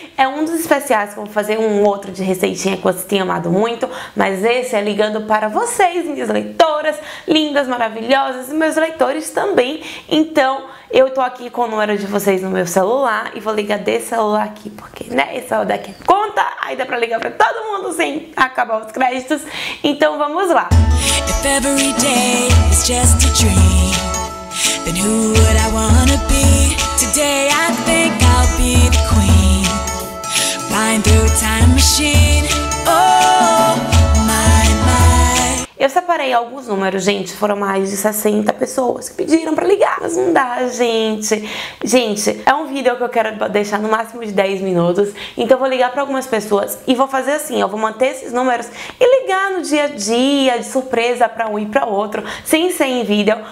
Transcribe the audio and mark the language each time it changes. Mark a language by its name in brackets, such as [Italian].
[Portuguese] É um dos especiais que eu vou fazer, um outro de receitinha que vocês têm amado muito, mas esse é ligando para vocês, minhas leitoras lindas, maravilhosas, e meus leitores também. Então, eu tô aqui com o número de vocês no meu celular e vou ligar desse celular aqui, porque, né, esse celular daqui conta, aí dá pra ligar pra todo mundo sem acabar os créditos. Então, vamos lá. [English] If every day is just a dream, then who would I wanna be? Today I think I'll be the queen, flying through a time machine. Oh, my, my. [Portuguese] Eu separei alguns números, gente. Foram mais de 60 pessoas que pediram pra ligar, mas não dá, gente. Gente, é um vídeo que eu quero deixar no máximo de 10 minutos. Então eu vou ligar pra algumas pessoas e vou fazer assim, ó. Vou manter esses números e ligar no dia a dia, de surpresa pra um e pra outro, sem ser em vídeo.